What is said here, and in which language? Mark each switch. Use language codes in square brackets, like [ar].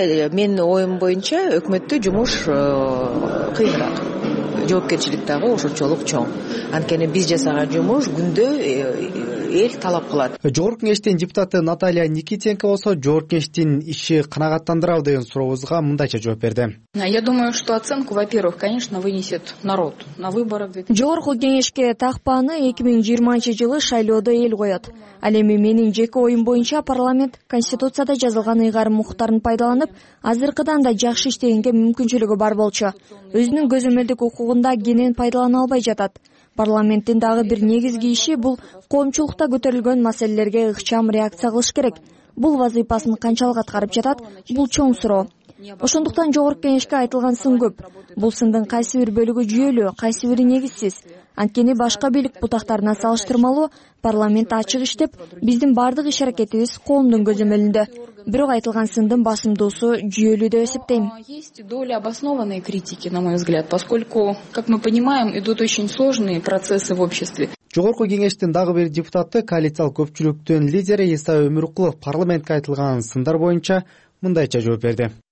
[ky] мен оюм боюнча өкмөттө жумуш кыйынырак. Жоопкерчилик дагы ошончолук чоң. Анткени биз жасаган жумуш күндө эл талап кылат. Жогорку кеңештин депутаты Наталья Никитенко болсо, жогорку кеңештин иши канагаттандырабы деген сурообузга мындайча жооп берди. [ru] Я думаю, что оценку, во-первых, конечно, вынесет народ на выборах. [ky] Жогорку кеңешке такпаны 2020 жылы шайлоодо эл коёт. Ал эми менин жеке оюм боюнча парламент конституцияда жазылган ыйгарым укуктарын пайдаланып, азыркыдан да жакшы иштегенге мүмкүнчүлүгү бар болчу. Өзүнүн көзөмөлдүк укугунда кенен пайдалана албай жатат. Парламенттин дагы бир негизги иши бул коомчулукта көтөрүлгөн маселелерге ыкчам реакция кылыш керек. Бул вазыйпасын канчалык аткарып жатат, бул чоң суроо. Ошондуктан жогорку кеңешке айтылган сын көп. Бул сындын кайсы бир бөлүгү жүйөлүү, кайсы бири негизсиз. Анткени башка бийлик бутактарына салыштырмалуу парламент ачык иштеп, биздин бардык иш-аракетибиз коомдун көзөмөлүндө. Бирок айтылган сындын басымдуусу жүйөлүү деп эсептейм. [ru] Есть доля обоснованной критики, на мой взгляд, поскольку, как мы понимаем, идут очень сложные процессы в обществе. [ky] Жогорку кеңештин дагы бир депутаты, коалициялык көпчүлүктүн лидери Исаев Өмүркулов парламентке айтылган сындар боюнча мындайча жооп берди.